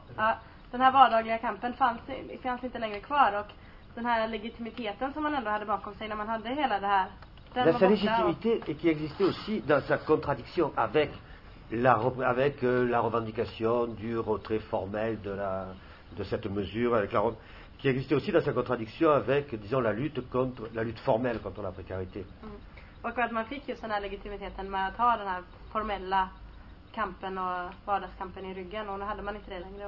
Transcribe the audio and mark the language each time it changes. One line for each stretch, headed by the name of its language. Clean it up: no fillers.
Swedish: Ja, den här vardagliga kampen fanns inte längre kvar. Och den här legitimiteten som man ändå hade bakom sig när man hade hela det här. Den
French: la légitimité et qui existait aussi dans sa contradiction avec la revendication du retrait formel de cette mesure, avec la, qui existait aussi dans sa contradiction avec, disons, la lutte formelle contre la précarité.
Swedish: Och att man fick just den här legitimiteten med att ha den här formella kampen och vardagskampen i ryggen, och nu hade man inte det längre.